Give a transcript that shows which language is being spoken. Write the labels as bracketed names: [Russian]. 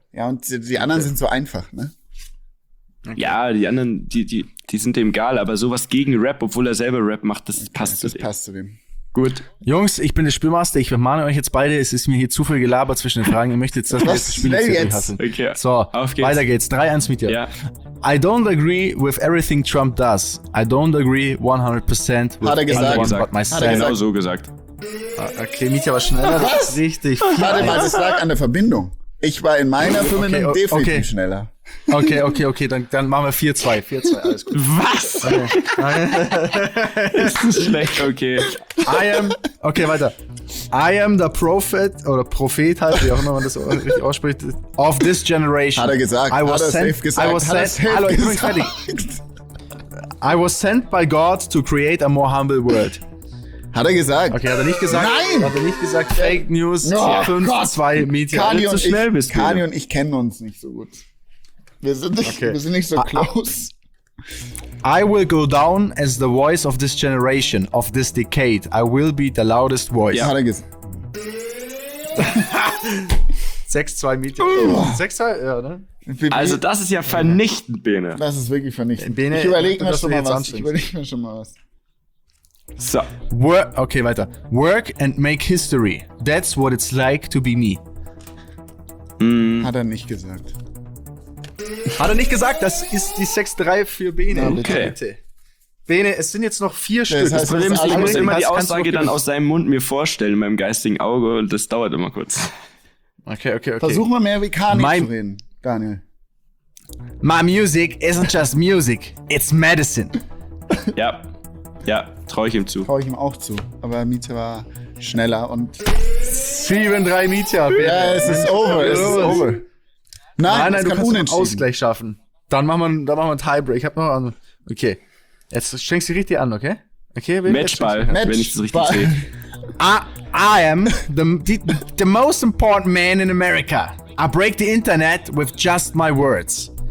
[German] Ja, und die anderen sind so einfach, ne? Okay. Ja, die anderen, die sind dem egal, aber sowas gegen Rap, obwohl er selber Rap macht, das passt zu dem. Passt zu dem. Gut. Jungs, ich bin der Spielmaster. Ich mahne euch jetzt beide. Es ist mir hier zu viel gelabert zwischen den Fragen. Ihr möchtet jetzt, dass wir das Spiel jetzt hassen. Okay. So, auf geht's. Weiter geht's. 3-1 mit dir. Ja. [English] I don't agree with everything Trump does. I don't agree 100% with [German] hat er gesagt. [English] Anyone [German] gesagt. [English] But myself. [German] Hat er genau so gesagt. Okay, Mietje war schneller. Was? Richtig. Warte mal, es lag an der Verbindung. Ich war in meiner Verbindung definitiv schneller. Okay, dann machen wir 4-2. 4-2, alles gut. Was? Okay. Ist schlecht, okay. [English] I am the prophet, [German] oder Prophet halt, wie auch immer man das richtig ausspricht, [English] of this generation. [German] Hat er gesagt, Hallo, ich bin fertig. [English] I was sent by God to create a more humble world. [German] Hat er gesagt? Okay, hat er nicht gesagt? Nein! Hat er nicht gesagt, Fake News, 5-2, Meteor, zu schnell bist du. Kani und ich kennen uns nicht so gut. Wir sind nicht so close. [English] I will go down as the voice of this generation, of this decade. I will be the loudest voice. [German] Ja, hat er gesagt. 6-2 Meteor. 6-2, ja, ne? Also das ist ja vernichtend, Bene. Das ist wirklich vernichtend. Bene, ich überlege mir schon mal was. So. Weiter. [English] Work and make history. That's what it's like to be me. [German] Hat er nicht gesagt. Hat er nicht gesagt, das ist die 6-3 für Bene. Na, bitte. Bene, es sind jetzt noch 4 Stück. Das Problem ist, ich muss immer die Aussage dann aus seinem Mund mir vorstellen, in meinem geistigen Auge, und das dauert immer kurz. Okay. Versuch mal mehr wie Kani zu reden, Daniel. [English] My music isn't just music, it's medicine. [German] Ja, traue ich ihm zu. Traue ich ihm auch zu, aber Miete war schneller und... 7-3 Miete. Ja, es ist over, Nein, du kannst einen Ausgleich schaffen. Dann machen wir einen Tiebreak. Ich hab noch einen. Okay. Jetzt schenkst du richtig an, okay? Matchball, wenn ich das richtig sehe. [English] I am the most important man in America. I break the internet with just my words.